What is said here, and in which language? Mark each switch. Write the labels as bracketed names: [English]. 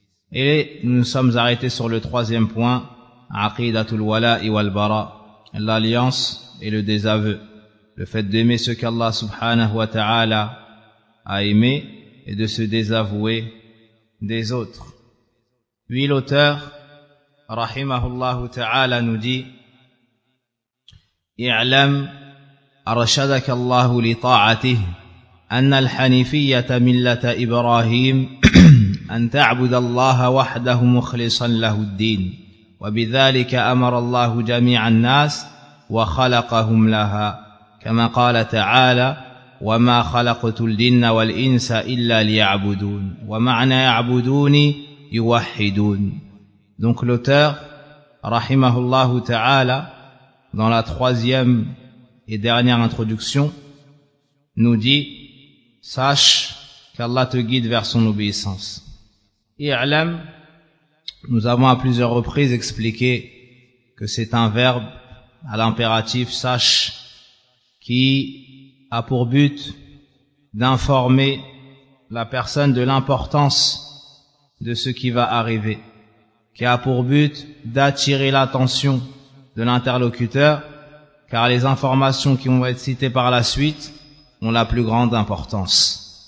[French] Et nous sommes arrêtés sur le troisième point, aqidatul wala'i wal bara', l'alliance et le désaveu. Le fait d'aimer ce qu'Allah subhanahu wa ta'ala a aimé et de se désavouer des autres. Puis l'auteur, rahimahullahu ta'ala, nous dit [Arabic] اعلم أرشدك الله لطاعته أن الحنيفية ملة إبراهيم أن تعبد الله وحده مخلصا له الدين وبذلك أمر الله جميع الناس وخلقهم لها كما قال تعالى وما خلقت الجن والإنس إلا ليعبدون ومعنى يعبدوني يوحدون. [French] Donc l'auteur [Arabic] رحمه الله تعالى [French] dans la troisième et dernière introduction, nous dit, sache qu'Allah te guide vers son obéissance. I'lam, nous avons à plusieurs reprises expliqué que c'est un verbe à l'impératif sache qui a pour but d'informer la personne de l'importance de ce qui va arriver, qui a pour but d'attirer l'attention de l'interlocuteur, car les informations qui vont être citées par la suite ont la plus grande importance.